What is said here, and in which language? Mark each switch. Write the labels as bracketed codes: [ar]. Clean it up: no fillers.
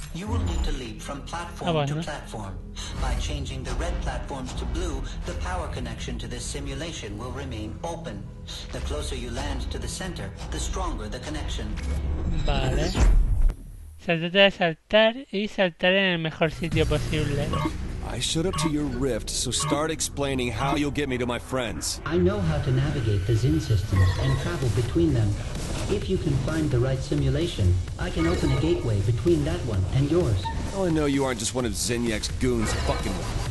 [en] You will need to leap from platform to platform. By changing the red platforms to blue, the power connection to this simulation will remain open. The closer you land to the center, the stronger the connection. [es] Vale. Se trata de saltar y saltar en el mejor sitio posible. [en] I showed up to your rift, so start explaining how you'll get me to my friends. I know how to navigate the Zin systems and travel between them. If you can find the right simulation, I can open a gateway between that one and yours. Oh, I know you aren't just one of Zinyak's goons, fucking one.